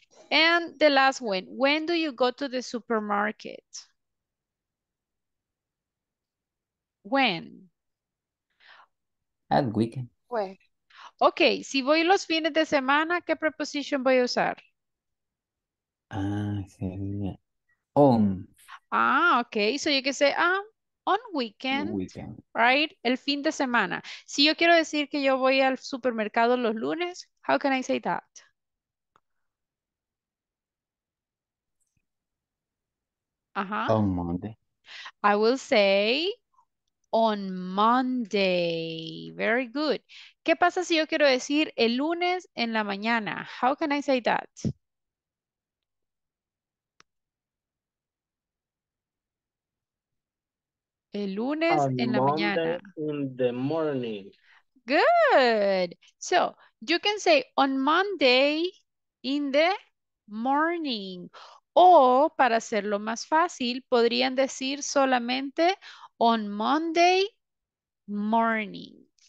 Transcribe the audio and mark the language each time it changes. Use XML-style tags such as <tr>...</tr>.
<en>And the last one, when do you go to the supermarket? When? At weekend. When?</en> <es>Okay, si voy los fines de semana, ¿qué preposición voy a usar? Sería on.</es> <en>Okay, so you can say on weekend, right?</en> <es>El fin de semana. Si yo quiero decir que yo voy al supermercado los lunes,</es> <en>how can I say that?</en> <es>On Monday.</es> <en>I will say On Monday. Very good.</en> <es>¿Qué pasa si yo quiero decir el lunes en la mañana?</es> <en>How can I say that?</en> <es>El lunes en la mañana.</es> <en>In the morning. Good. So, you can say on Monday in the morning.</en> <es>O, para hacerlo más fácil, podrían decir solamente</es> <en>on Monday morning.</en>